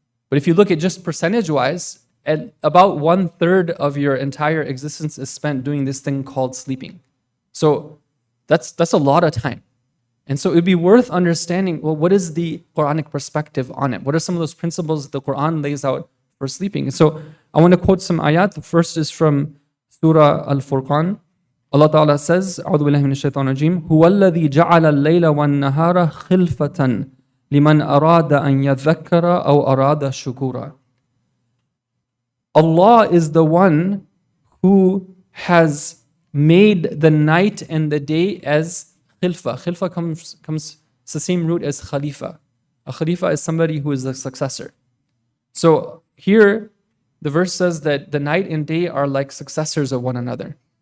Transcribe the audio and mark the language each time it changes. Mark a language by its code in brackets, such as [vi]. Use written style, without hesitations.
[en] But if you look at just percentage-wise, at about one-third of your entire existence is spent doing this thing called sleeping. So that's a lot of time. And so it'd be worth understanding, well, what is the Quranic perspective on it? What are some of those principles that the Quran lays out for sleeping? So I want to quote some ayat. The first is from Surah Al-Furqan. Allah Ta'ala says, [ar] أعوذ بالله من الشيطان الرجيم هُوَ الَّذِي جَعَلَ اللَّيْلَ وَالنَّهَارَ خِلْفَةً لِمَنْ أَرَادَ أَنْ يَذَكَّرَ أَوْ أَرَادَ شُكُورًا. [en] Allah is the one who has made the night and the day as khilfa. Khilfa comes it's the same root as khalifa. A khalifa is somebody who is the successor. So here, the verse says that the night and day are like successors of one another.